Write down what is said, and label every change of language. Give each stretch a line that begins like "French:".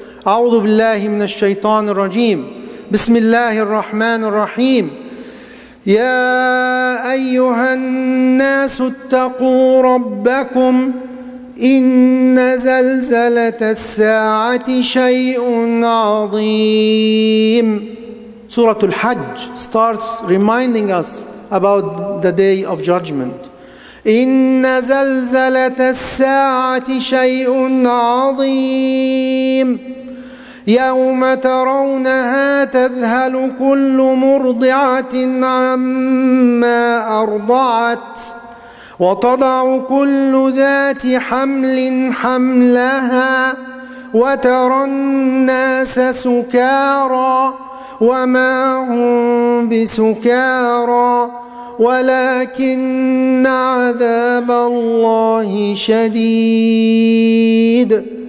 Arabic: أعوذ بالله من الشيطان الرجيم بسم الله الرحمن الرحيم يا أيها الناس اتقوا ربكم إن زلزلة الساعة شيء عظيم.
English: سورة الحج starts reminding us about the day of judgment.
Arabic: إن زلزلة الساعة شيء عظيم يوم ترونها تذهل كل مرضعة عما أرضعت وتضع كل ذات حمل حملها وترى الناس سكارى وما هم بسكارى ولكن عذاب الله شديد.